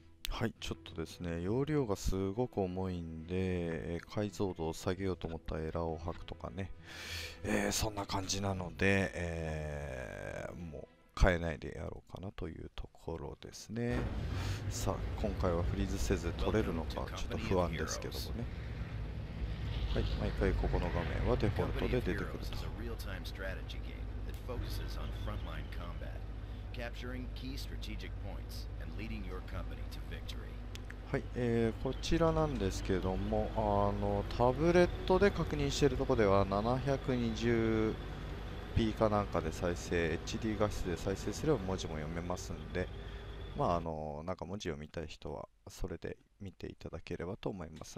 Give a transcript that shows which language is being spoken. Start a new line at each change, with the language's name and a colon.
Japanese: はい、ちょっとですね、容量がすごく重いんで、解像度を下げようと思ったエラーを吐くとかね、そんな感じなので、もう変えないでやろうかなというところですね。さあ、今回はフリーズせず取れるのかちょっと不安ですけどもね。はい、毎回ここの画面はデフォルトで出てくると。
English: real-time strategy game that focuses on frontline combat, capturing key strategic points and leading your company to victory。
Japanese: はい、こちらなんですけども、あのタブレットで確認しているところでは720p かなんかで再生、 HD 画質で再生すれば文字も読めますんで、まあ、なんか文字を見たい人はそれで見ていただければと思います。